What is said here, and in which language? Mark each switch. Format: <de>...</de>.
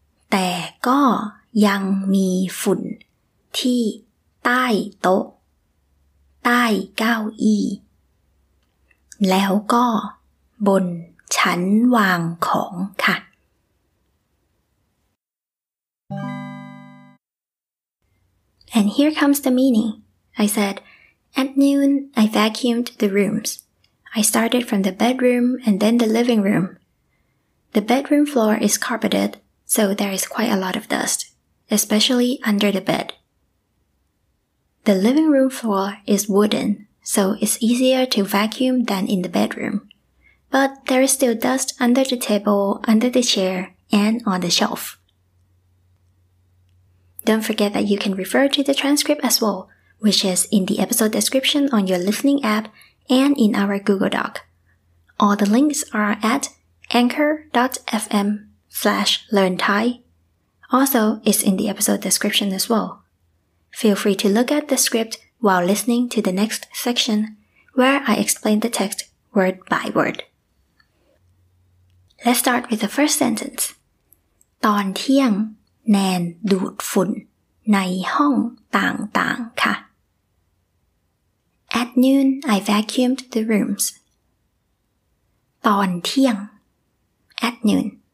<th>แต่ก็ยังมีฝุ่นที่ใต้โต๊ะใต้เก้าอี้แล้วก็บนชั้นวางของค่ะ</th> <en>And here comes the meaning. I said, at noon, I vacuumed the rooms. I started from the bedroom and then the living room. The bedroom floor is carpeted, so there is quite a lot of dust. Especially under the bed. The living room floor is wooden, so it's easier to vacuum than in the bedroom. But there is still dust under the table, under the chair, and on the shelf. Don't forget that you can refer to the transcript as well, which is in the episode description on your listening app and in our Google Doc. All the links are at anchor.fm/learnthai. Also, it's in the episode description as well. Feel free to look at the script while listening to the next section, where I explain the text word by word. Let's start with the first sentence.</en> <th>ตอนเที่ยงแนนดูดฝุ่นในห้องต่างๆค่ะ</th> <en>At noon, I vacuumed the rooms.</en> <th>ตอนเที่ยง</th> <en>At noon.</en>